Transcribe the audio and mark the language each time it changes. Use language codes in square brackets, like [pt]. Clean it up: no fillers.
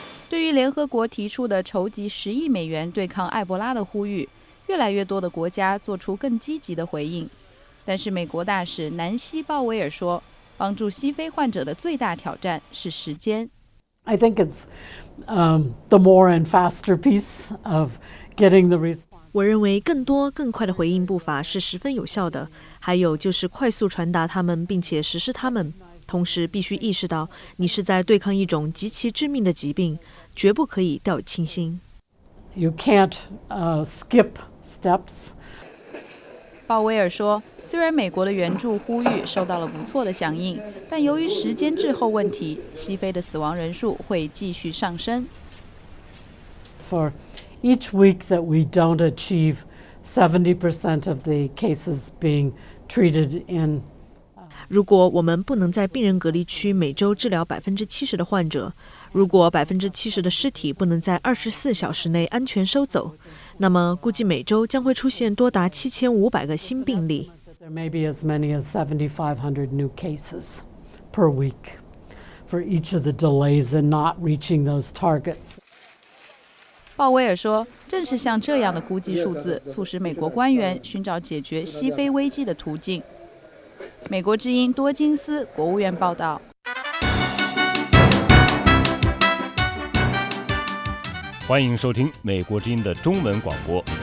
[zh] 对于联合国提出的筹集10亿美元对抗埃博拉的呼吁，越来越多的国家做出更积极的回应，但是美国大使南希·鲍威尔说，帮助西非患者的最大挑战是时间。 [en] I think it's the more and faster piece of getting the response. [zh] 我认为更多更快的回应步伐是十分有效的，还有就是快速传达他们并且实施他们，同时必须意识到你是在对抗一种极其致命的疾病，绝不可以掉以轻心。 [en] You can't skip steps. [zh] 鲍威尔说，虽然美国的援助呼吁受到了不错的响应，但由于时间滞后问题，西非的死亡人数会继续上升。 [en] For each week that we don't achieve 70% of the cases being treated in [zh] 如果我们不能在病人隔离区每周治疗70%的患者，如果70%的尸体不能在24小时内安全收走，那么估计每周将会出现多达7500个新病例。 [en] There may be as many as 7,500 new cases per week for each of the delays in not reaching those targets. [zh] 鲍威尔说，正是像这样的估计数字，促使美国官员寻找解决西非危机的途径。美国之音多金斯国务院报道。欢迎收听美国之音的中文广播。